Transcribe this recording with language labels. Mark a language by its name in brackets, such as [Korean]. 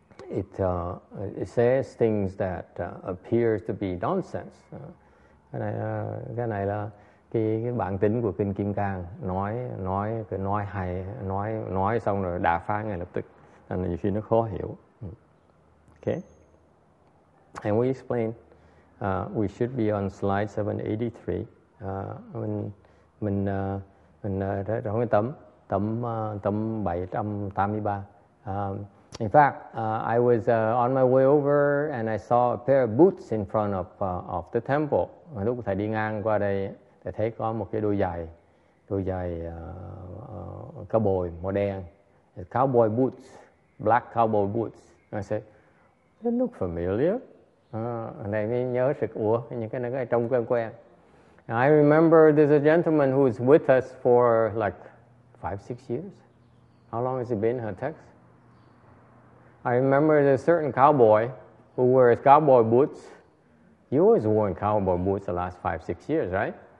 [English] It says things that appears to be nonsense. [Vietnamese] Cái này là cái bản tính của kinh Kim Cang, nói hay, nói xong rồi đả phá ngay lập tức, nên nhiều khi nó khó hiểu. [English] Okay. And we explain, we should be on slide 783. [Vietnamese] Mình trong cái tấm 783. [English] In fact, I was on my way over and I saw a pair of boots in front of the temple. [Vietnamese] Lúc thầy đi ngang qua đây, thầy thấy có một cái đôi giày cowboy màu đen. [English] Cowboy boots, black cowboy boots. I said, they look familiar. [Vietnamese] Này mới nhớ sự, ủa, những cái này trông quen quen. [English] And I remember there's a gentleman who's with us for like 5-6 years. How long has he been in her text? I remember there's a certain cowboy who wears cowboy boots, He always worn cowboy boots the last 5-6 years, right?